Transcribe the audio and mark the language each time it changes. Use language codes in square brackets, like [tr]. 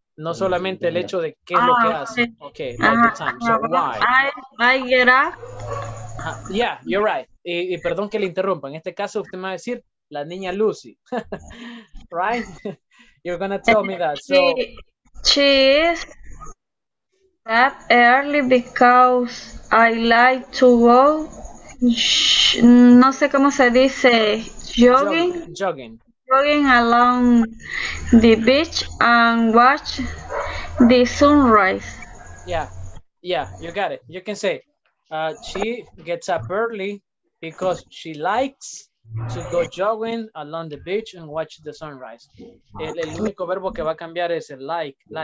[es] No solamente el hecho de qué es lo que hace. [en] Okay, the time. So why? I get up. Yeah, you're right. [es] Y perdón que le interrumpa. En este caso, usted me va a decir la niña Lucy. [en] Right? You're going to tell me that. So, she is up early because I like to go. [es] No sé cómo se dice. Jogging. [en] Jogging. Jogging along the beach and watch the sunrise. Yeah, you got it. You can say, she gets up early because she likes to go jogging along the beach and watch the sunrise. [es] El único verbo que va a cambiar es el likes.